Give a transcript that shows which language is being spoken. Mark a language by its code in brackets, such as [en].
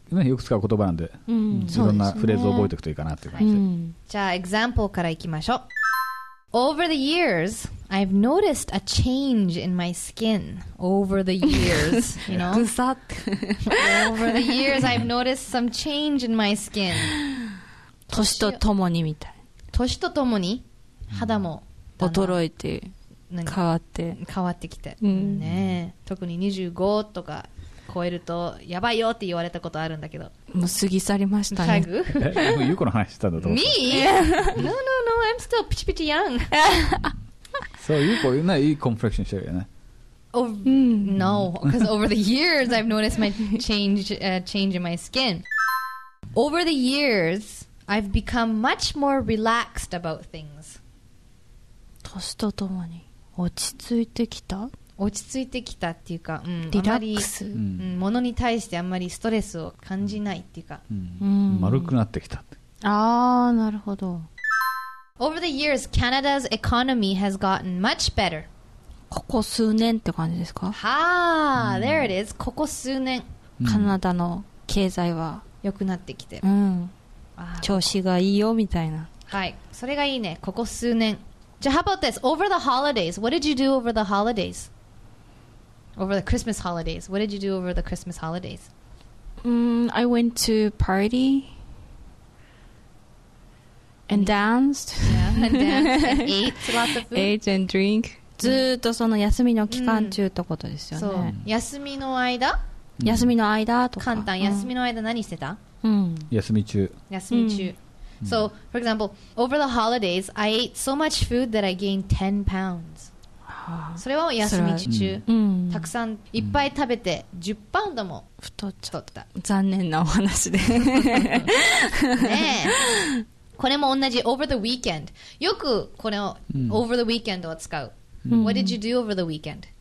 [ja] ね、よく使う言葉なんで、いろんなフレーズを覚えておくといいかなっていう感じで。じゃあ example からいきましょう。 [en] Over the years, I've noticed a change in my skin. Over the years, you know. Over the years, I've noticed some change in my skin. [ja] 年とともにみたい。年とともに肌も衰えて変わって変わってきて、ね、特に25とか超えるとやばいよって言われたことあるんだけど、もう過ぎ去りましたね。タグもうゆうこの話してたんだと思った。 [en] Me? No, no, no, I'm still ピチピチ young. [ja] そう、ゆうこいいコンプレクションしてるよね。 [en] No, because over the years I've noticed my change in my skin. Over the years I've become much more relaxed about things. [ja] 年とともに落ち着いてきた。落ち着いてきたっていうか、リラックス、物に対してあんまりストレスを感じないっていうか、丸くなってきたって。あー、なるほど。 [en] Over the years, Canada's economy has gotten much better. [ja] ここ数年って感じですか。はあ、 [en] there it is. [ja] ここ数年、カナダの経済は良くなってきて、調子がいいよみたいな。はい、それがいいね、ここ数年。 [en] じゃあ、how about this? Over the holidays, what did you do over the holidays? Over the Christmas holidays, what did you do over the Christmas holidays? I went to party and danced. Yeah, and danced and ate lots of food. Ate and drink. [ja] ずっとその休みの期間中ってことですよね。そう、休みの間、休みの間とか。簡単、休みの間何してた？休み中。休み中。 [en] So, for example, over the holidays, I ate so much food that I gained 10 pounds. [ja] それは休み中、たくさんいっぱい食べて10パウンドも太っちゃった。残念なお話で。ねえ。これも同じ、 [en] over the weekend。 [ja] よくこれを、 [en] over the weekend [ja] を使う。 [en] What did you do over the weekend?